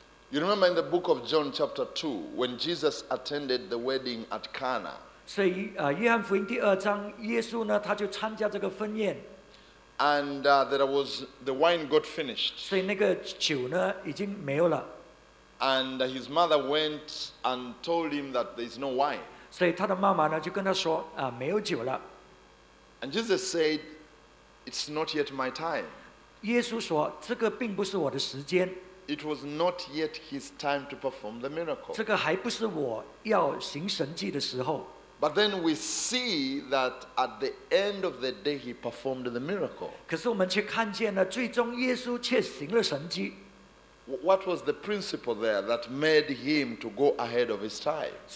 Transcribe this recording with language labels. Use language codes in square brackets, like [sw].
[en] You remember in the book of John chapter 2, when Jesus attended the wedding at Cana, [zh] 所以约翰福音第二章，耶稣呢，他就参加这个婚宴。 [en] And there was the wine got finished. [zh] 所以那个酒呢，已经没有了。And [en] his mother went and told him that there is no wine. [zh] 所以他的妈妈呢，就跟他说，没有酒了。And [en] Jesus said, "It's not yet my time." [zh] 耶稣说，这个并不是我的时间。 [en] It was not yet his time to perform the miracle. [zh] 这个还不是我要行神迹的时候。 [en] But then we see that at the end of the day, he performed the miracle. [zh] 可是我们却看见了，最终耶稣却行了神迹。 [en] What was the principle there that made him to go ahead of his time?